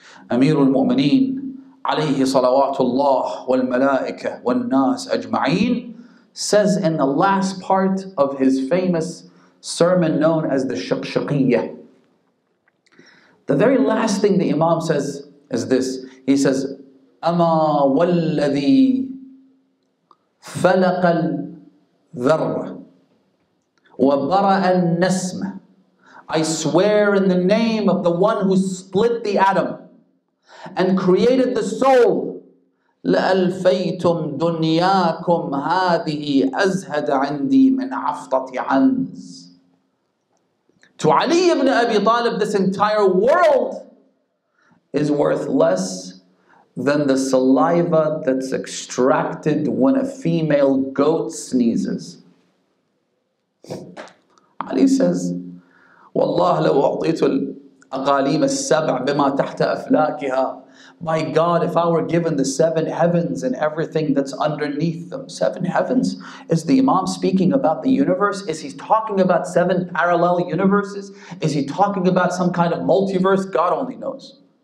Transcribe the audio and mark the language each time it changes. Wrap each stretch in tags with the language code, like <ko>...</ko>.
<en>Amir al-Mu'mineen alayhi salawatullah wal malaika wal nas ajma'een says in the last part of his famous sermon known as the Shaqshaqiyya, the very last thing the Imam says is this. He says,</en> <ar>أَمَا وَالَّذِي فَلَقَ الذَّرَّ وَبَرَأَ النَّسْمَ.</ar> <en>I swear in the name of the one who split the atom and created the soul,</en> <ar>لَأَلْفَيْتُمْ دُنْيَاكُمْ هَذِهِ أَزْهَدَ عَنْدِي مِنْ عَفْطَةِ عَنْزِ.</ar> <en>To Ali ibn Abi Talib, this entire world is worth less than the saliva that's extracted when a female goat sneezes. Ali says,</en> <ar>وَاللَّهُ لَوْ أَعْطِيتُ الْأَقَالِيمَ السَّبْعَ بِمَا تَحْتَ أَفْلَاكِهَا.</ar> <en>My God, if I were given the seven heavens and everything that's underneath them. Seven heavens? Is the Imam speaking about the universe? Is he talking about seven parallel universes? Is he talking about some kind of multiverse? God only knows.</en>